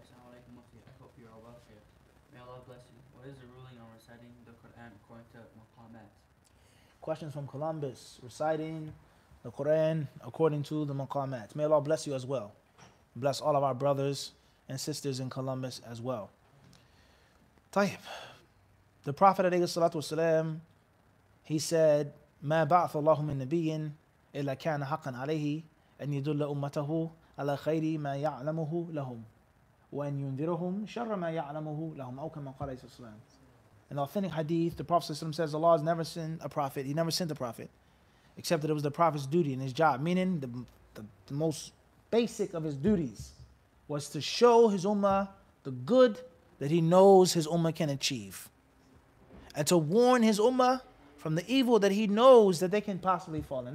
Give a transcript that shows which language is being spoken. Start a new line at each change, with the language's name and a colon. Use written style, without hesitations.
English: Sound like Mufti. I hope you're all well here. May Allah bless you. What is the ruling on reciting the Quran according to Maqamat? Questions from Columbus. Reciting the Quran according to the Maqamat. May Allah bless you as well. Bless all of our brothers and sisters in Columbus as well. Tayyib. The Prophet
Arabic: alayhi salatu wasalam,
English: he said,
Arabic: مَا بَعْثَ اللَّهُ مِنْ نَبِيٍّ إِلَّا كَانَ حَقًّا عَلَيْهِ أَنْ يَدُلَّ أُمَّتَهُ عَلَى خَيْرِ مَا يَعْلَمُهُ لَهُمْ وَأَنْ يُنذِرُهُمْ شَرَّ مَا يَعْلَمُهُ لَهُمْ أَوْ كَمَا قَالَ عَلَيْهِ السَّلَامِ.
English: In authentic hadith, the Prophet says, Allah has never sent a prophet. He never sent a prophet, except that it was the Prophet's duty and his job, meaning the most basic of his duties was to show his ummah the good that he knows his ummah can achieve, and to warn his ummah from the evil that he knows that they can possibly fall in.